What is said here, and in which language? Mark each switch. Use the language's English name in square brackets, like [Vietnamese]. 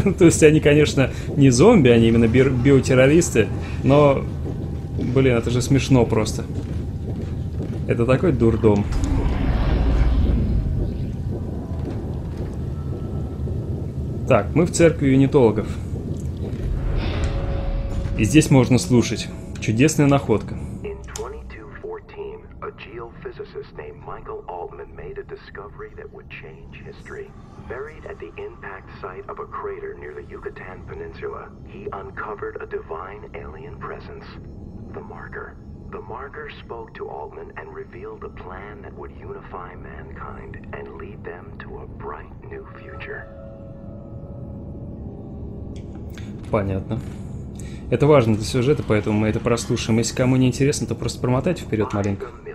[Russian] То есть они, конечно, не зомби, они именно биотеррористы. Но, блин, это же смешно просто. Это такой дурдом. Так, мы в церкви юнитологов. И здесь можно слушать. Чудесная находка. [English] In 2214, a geophysicist named Michael Altman made a discovery that would change history. Buried at the impact site of a crater near the Yucatan Peninsula, he uncovered a divine alien presence. The marker. The marker spoke to Altman and revealed a plan that would unify mankind and lead them to a bright new future. [Russian] Понятно. Это важно для сюжета, поэтому мы это прослушаем. Если кому не интересно, то просто промотайте вперед маленько.